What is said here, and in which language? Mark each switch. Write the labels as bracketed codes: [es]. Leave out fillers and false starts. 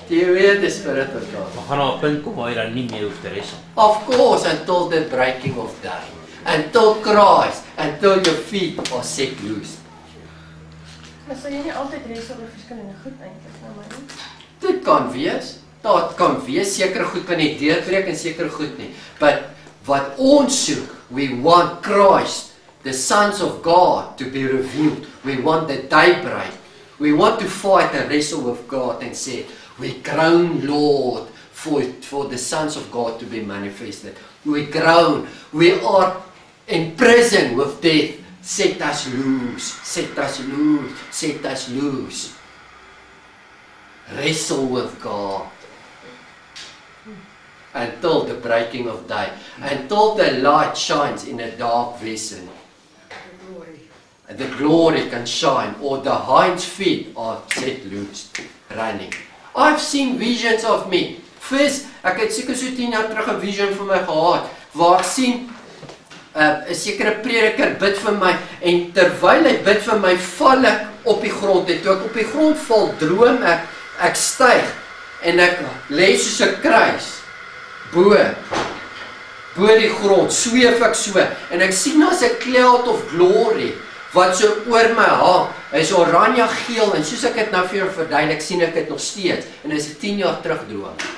[af] We gaan op 'n punt kom waar jy dan nie meer hoef te wrestle. [en] Of course, until the breaking of day. Until Christ, until your feet are set loose. [af] Maar sal jy nie altyd wrestle oor verskillende goed eintlik, nou maar nie? Dit kan wees. Dit kan wees. Sekere goed kan nie deurbreek en sekere goed nie. [en] But [af] wat ons soek, [en] we want Christ. The sons of God to be revealed. We want the daybreak. We want to fight and wrestle with God and say, we groan, Lord, for the sons of God to be manifested. We groan. We are in prison with death. Set us loose. Set us loose. Set us loose. Wrestle with God. Until the breaking of day. Until the light shines in a dark vessel. The glory can shine, or the hind feet are set loose, running. I've seen visions of me. [af] First, ek het seker so 10 jaar terug 'n vision van my gehad, waar ek sien 'n sekere prediker bid vir my, en terwyl hy bid vir my, val ek op die grond. En toe ek op die grond val, droom ek, ek styg, en ek lê soos 'n kruis, bo die grond, sweef ek so, en ek sien as 'n cloud of glory, wat so oor my hang, is oranje geel, en soos ek het nou vir jou verduidelik, sien ek het nog steeds, en is 10 jaar terug droom.